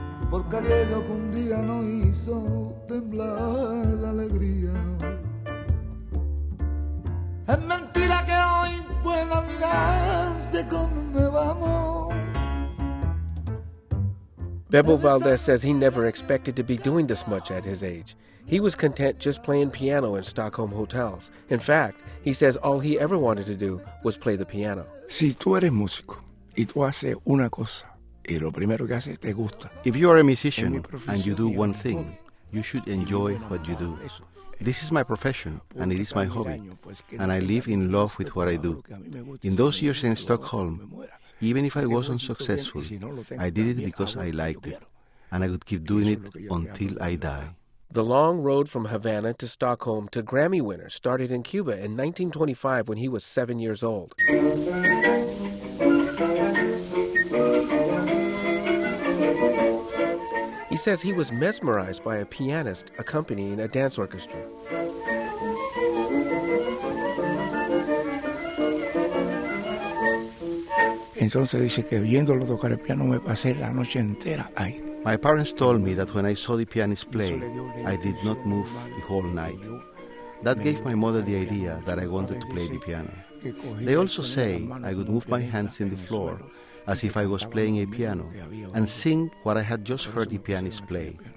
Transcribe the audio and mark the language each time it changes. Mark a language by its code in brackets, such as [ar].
[es] Porque aquello que un día nos hizo temblar la alegría. Es mentira que hoy pueda mirarse con un nuevo amor. [en] Bebo Valdez says he never expected to be doing this much at his age. He was content just playing piano in Stockholm hotels. In fact, he says all he ever wanted to do was play the piano. [es] Si tú eres músico y tú haces una cosa, [en] if you are a musician and you do one thing, you should enjoy what you do. This is my profession and it is my hobby, and I live in love with what I do. In those years in Stockholm, even if I wasn't successful, I did it because I liked it, and I would keep doing it until I die. The long road from Havana to Stockholm to Grammy winner started in Cuba in 1925 when he was 7 years old. He says he was mesmerized by a pianist accompanying a dance orchestra. [es] Entonces dice que viéndolo tocar el piano me pasé la noche entera ahí. [en] My parents told me that when I saw the pianist play, I did not move the whole night. That gave my mother the idea that I wanted to play the piano. They also say I would move my hands in the floor as if I was playing a piano, and sing what I had just heard the pianist play.